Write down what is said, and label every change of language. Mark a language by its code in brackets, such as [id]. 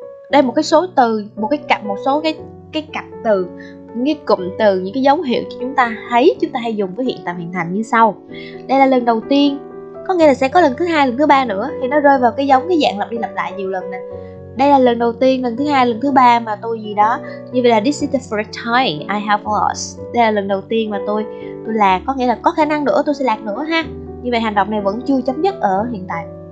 [vi] Đây một cái số từ, một cái cặp, một số cái cặp từ, những cái cụm từ, những cái dấu hiệu chúng ta thấy chúng ta hay dùng với hiện tại hoàn thành như sau. Đây là lần đầu tiên, có nghĩa là sẽ có lần thứ hai, lần thứ ba nữa thì nó rơi vào cái giống cái dạng lặp đi lặp lại nhiều lần nè. Đây là lần đầu tiên, lần thứ hai, lần thứ ba mà tôi gì đó. Như vậy là [en] this is the first time I have lost. [vi] Đây là lần đầu tiên mà tôi lạc, có nghĩa là có khả năng nữa tôi sẽ lạc nữa ha. Như vậy hành động này vẫn chưa chấm dứt ở hiện tại.